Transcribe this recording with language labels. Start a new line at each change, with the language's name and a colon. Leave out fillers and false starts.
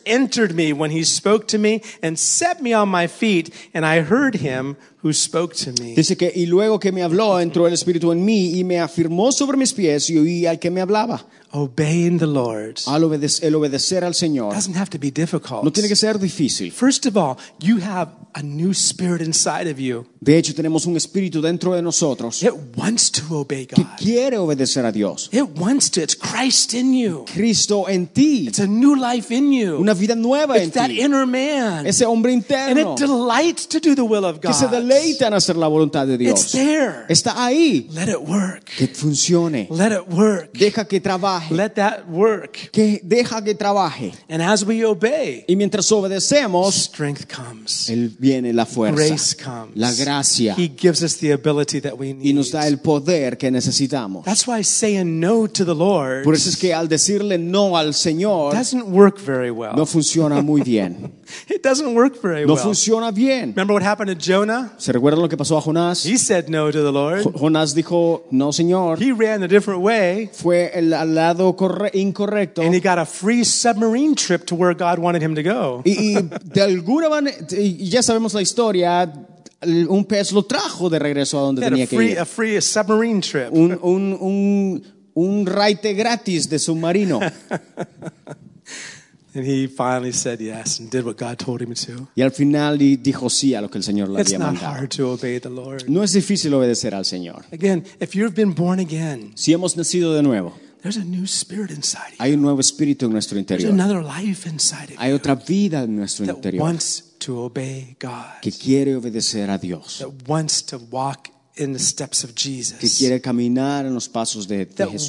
English: Entered me when he spoke to me and set me on my feet, and I heard him who spoke to me.
Spanish: Dice que, y luego que me habló, entró el Espíritu en mí y me afirmó sobre mis pies y oí al que me hablaba.
English: Obeying the Lord.
Spanish: El obedecer al Señor.
English: Doesn't have to be difficult.
Spanish: No tiene que ser difícil.
English: First of all, you have a new spirit inside of you.
Spanish: De hecho, tenemos un espíritu dentro de nosotros.
English: It wants to obey God.
Spanish: Que quiere obedecer a Dios.
English: It wants to. It's Christ in you.
Spanish: Cristo en ti.
English: It's a new life in you.
Spanish: Una vida nueva
English: it's
Spanish: en ti.
English: It's that inner man.
Spanish: Ese hombre interno.
English: And it delights to do the will of God.
Spanish: Que se deleita en hacer la voluntad de Dios.
English: It's there.
Spanish: Está ahí.
English: Let it work.
Spanish: Que funcione.
English: Let it work.
Spanish: Deja que trabaje.
English: Let that work.
Spanish: Que deja que trabaje.
English: And as we obey,
Spanish: y mientras obedecemos,
English: strength comes.
Spanish: Él viene la fuerza.
English: Grace comes.
Spanish: La gracia.
English: He gives us the ability that we need.
Spanish: Y nos da el poder que necesitamos.
English: That's why saying no to the Lord.
Spanish: Por eso es que al decirle no al Señor,
English: doesn't work very well.
Spanish: No funciona muy bien.
English: It doesn't work very well.
Spanish: No funciona bien.
English: Remember what happened to Jonah?
Spanish: ¿Se recuerdan lo que pasó a Jonás?
English: He said no to the Lord.
Spanish: Jonás dijo no, Señor.
English: He ran a different way.
Spanish: Fue al lado incorrecto.
English: And he got a free submarine trip to where God wanted him to go.
Spanish: Y de alguna manera, ya sabemos la historia. Un pez lo trajo de regreso a donde tenía que ir.
English: A free submarine trip.
Spanish: Un raite gratis de submarino.
English: And he finally said yes and did what God told him to.
Spanish: Y al final dijo sí a lo que el Señor le había mandado.
English: It's not hard to obey the Lord.
Spanish: No es difícil obedecer al Señor.
English: Again, if you've been born again.
Spanish: Si hemos nacido de nuevo.
English: There's a new spirit inside you.
Spanish: Hay un nuevo espíritu en nuestro interior.
English: There's another life inside of you.
Spanish: Hay otra vida en nuestro interior.
English: That wants to obey God.
Spanish: Que quiere obedecer a Dios.
English: That wants to walk in the steps of Jesus.
Spanish: Que quiere caminar en los pasos de Jesús.